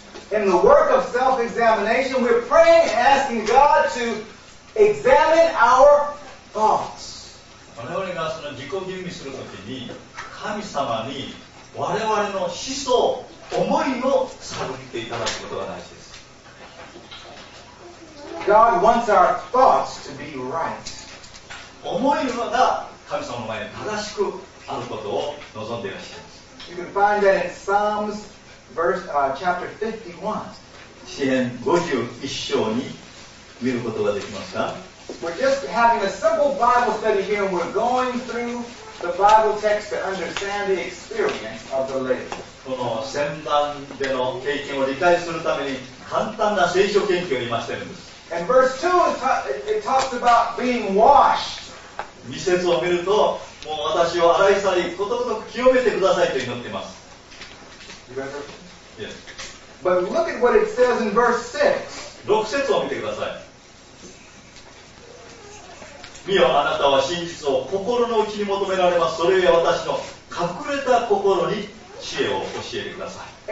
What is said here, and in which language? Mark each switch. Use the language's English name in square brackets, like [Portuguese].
[English] In the work of self-examination, we're praying and asking God to examine our thoughts. [Japanese] 我々がその自己吟味するときに、神様に我々の思想、思いを探っていただくことが大事です。 [English] God wants our thoughts to be right. [Japanese] 思いが神様の前に正しくあることを望んでいらっしゃいます。 [English] You can find that in Psalms, chapter 51. [Japanese] 詩編51章に見ることができますか？ [English] We're just having a simple Bible study here, and we're going through the Bible text to understand the experience of the lady. [Japanese] この旋盤での経験を理解するために簡単な聖書研究を今しているんです。 [English] And verse 2, it talks about being washed. [Japanese] 2節を見ると、もう私を洗い去り、ことごとく清めてくださいと祈っています。 [English] Yes. But look at what it says in verse 6. [Japanese] 6節を見てください。見よ、あなたは真実を心の内に求められます。それゆえ私の隠れた心に知恵を教えてください。